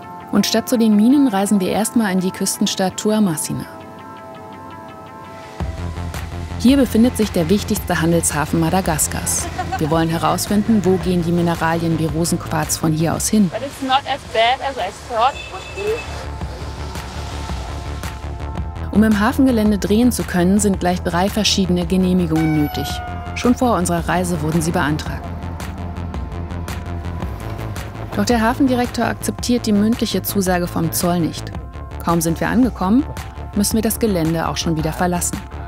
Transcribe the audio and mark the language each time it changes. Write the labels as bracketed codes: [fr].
[de] Und statt zu den Minen reisen wir erstmal in die Küstenstadt Tuamasina. Hier befindet sich der wichtigste Handelshafen Madagaskars. Wir wollen herausfinden, wo gehen die Mineralien wie Rosenquarz von hier aus hin. [en] But it's not as bad as I thought. [de] Um im Hafengelände drehen zu können, sind gleich drei verschiedene Genehmigungen nötig. Schon vor unserer Reise wurden sie beantragt. Doch der Hafendirektor akzeptiert die mündliche Zusage vom Zoll nicht. Kaum sind wir angekommen, müssen wir das Gelände auch schon wieder verlassen.